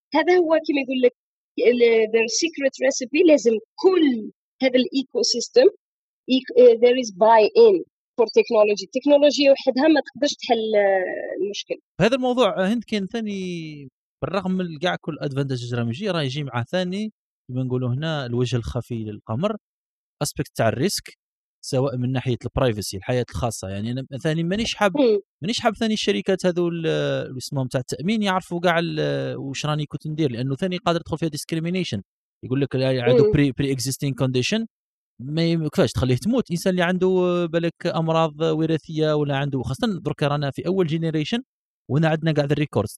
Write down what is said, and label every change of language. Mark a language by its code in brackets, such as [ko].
[ar] هذا هو كما يقول لك [en] the secret recipe. [ar] لازم كل هذا الإيكوسيستم [en] there is buy-in for technology. [ar] تكنولوجيا وحدها ما تقدرش تحل المشكل. هذا الموضوع هند كان ثاني بالرغم من كاع كل ادفانتج جرامجي راه يجي مع ثاني كما نقولوا هنا الوجه الخفي للقمر، اسبيكت تاع الريسك سواء من ناحيه البرايفسي الحياه الخاصه. يعني انا ثاني مانيش حاب ثاني الشركات هذو اللي اسمهم تاع التامين يعرفوا كاع واش راني كنت ندير، لانه ثاني قادر تدخل فيها ديسكريميناشن، يقول لك عنده بري اكزيستينغ كونديشن، ما كيفاش تخليه تموت انسان اللي عنده بالك امراض وراثيه ولا عنده، خاصه درك رانا في اول جينيريشن وانا عندنا قاعد الريكورد.